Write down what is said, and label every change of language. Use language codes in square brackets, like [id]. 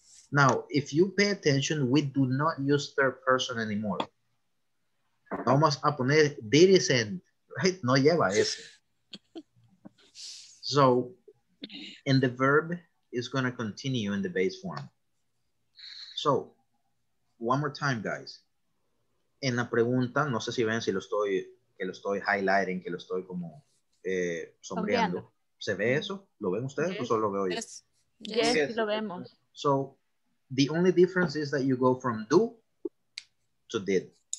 [en] Now, if you pay attention, we do not use third person anymore. [es] Vamos a poner didn't, right? No lleva ese. [en] So, and the verb is going to continue in the base form. So, one more time, guys. [es] En la pregunta, no sé si ven si lo estoy, que lo estoy highlighting, que lo estoy como sombreando. ¿Se ve eso? ¿Lo ven ustedes o solo lo veo yo? Yes, yes, lo vemos. [en] So, the only difference is that you go from do to did.